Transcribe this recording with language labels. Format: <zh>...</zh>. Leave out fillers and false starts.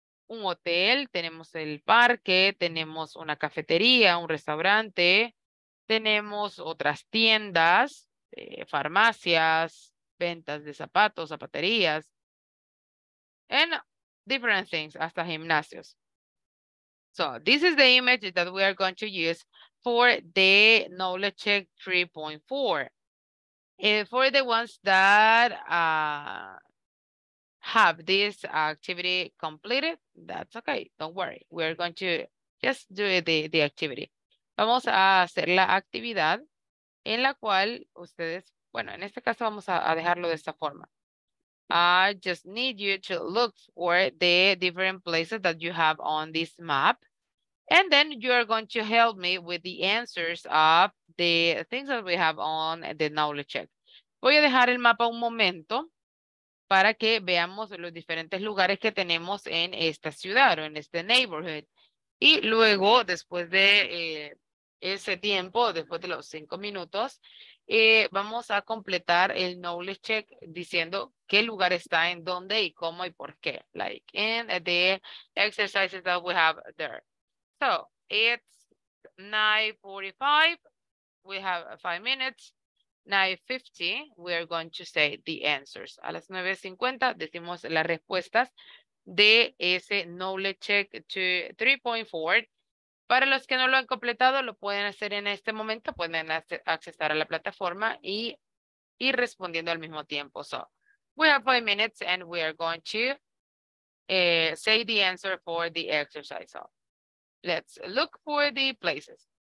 <es>un hotel, tenemos el parque, tenemos una cafetería, un restaurante, tenemos otras tiendas, farmacias, ventas de zapatos, zapaterías,</es> <en>and different things,</en> <es>hasta gimnasios.</es> <en>So this is the image that we are going to use for the knowledge check 3.4. For the ones that have this activity completed, that's okay, don't worry. We're going to just do the activity.</en> <es>Vamos a hacer la actividad en la cual ustedes, bueno, en este caso vamos a dejarlo de esta forma.</es> <en>I just need you to look for the different places that you have on this map. And then you are going to help me with the answers of the things that we have on the knowledge check.</en> <es>Voy a dejar el mapa un momento para que veamos los diferentes lugares que tenemos en esta ciudad o en este neighborhood. Y luego, después de ese tiempo, después de los 5 minutos, vamos a completar el knowledge check diciendo qué lugar está en dónde y cómo y por qué.</es> <en>Like in the exercises that we have there. So it's 9:45. We have 5 minutes. 9:50, we are going to say the answers.</en> <es>A las 9:50, decimos las respuestas de ese knowledge check to 3.4. Para los que no lo han completado, lo pueden hacer en este momento, pueden accesar a la plataforma y ir respondiendo al mismo tiempo.</es> <en>So, we have 5 minutes and we are going to say the answer for the exercise. So, let's look for the places.</en>